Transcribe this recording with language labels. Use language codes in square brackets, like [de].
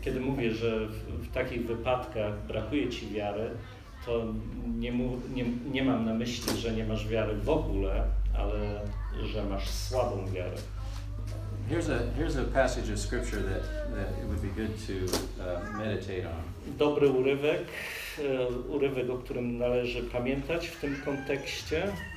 [pl] Kiedy mówię, że w takich wypadkach brakuje ci wiary, to nie mam na myśli, że nie masz wiary w ogóle, ale że masz słabą wiarę. [en] Here's a passage of scripture that it would be good to meditate on. [pl] Dobry urywek, urywek, o którym należy pamiętać w tym kontekście.